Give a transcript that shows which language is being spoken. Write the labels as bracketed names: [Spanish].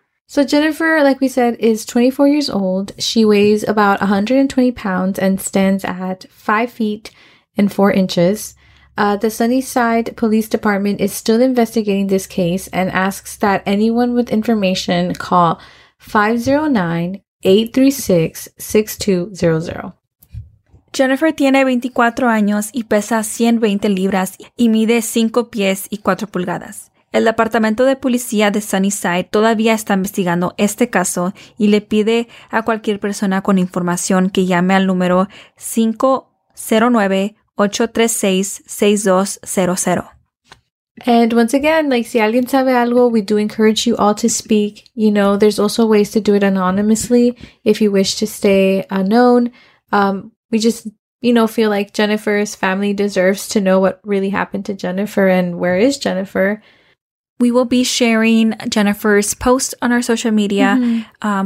[English] So Jennifer, like we said, is 24 years old. She weighs about 120 pounds and stands at 5 feet and 4 inches. The Sunnyside Police Department is still investigating this case and asks that anyone with information call 509-836-6200. [Spanish] Jennifer tiene 24 años y pesa 120 libras y mide 5 pies y 4 pulgadas. El Departamento de Policía de Sunnyside todavía está investigando este caso y le pide a cualquier persona con información que llame al número 509-836-6200. [English] And once again, like, [Spanish] si alguien sabe algo, [English] we do encourage you all to speak. You know, there's also ways to do it anonymously if you wish to stay unknown. We just, you know, feel like Jennifer's family deserves to know what really happened to Jennifer and where is Jennifer. We will be sharing Jennifer's post on our social media. Mm-hmm.